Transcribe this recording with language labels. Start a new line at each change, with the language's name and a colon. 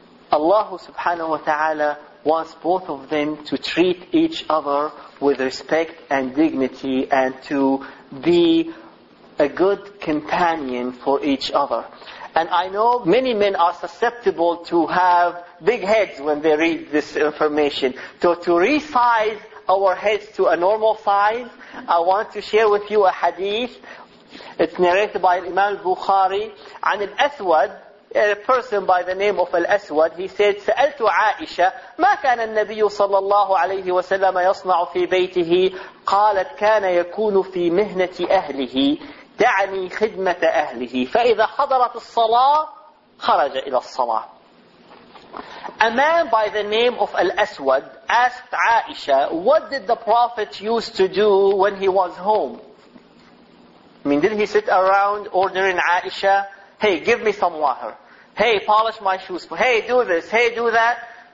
English: Allah subhanahu wa ta'ala wants both of them to treat each other with respect and dignity and to be a good companion for each other. And I know many men are susceptible to have big heads when they read this information. So to resize our heads to a normal size, I want to share with you a hadith. It's narrated by Imam al-Bukhari. An al-Aswad, a person by the name of al-Aswad, he said,
Arabic: سألت عائشة ما كان النبي صلى الله عليه وسلم يصنع في بيته قالت كان يكون في مهنة أهله تعني خدمة أهله فإذا حضرت الصلاة خرج إلى الصلاة.
English: A man by the name of Al-Aswad asked Aisha, what did the Prophet used to do when he was home? I mean, did he sit around ordering Aisha, hey, give me some water, hey, polish my shoes, hey, do this, hey, do that?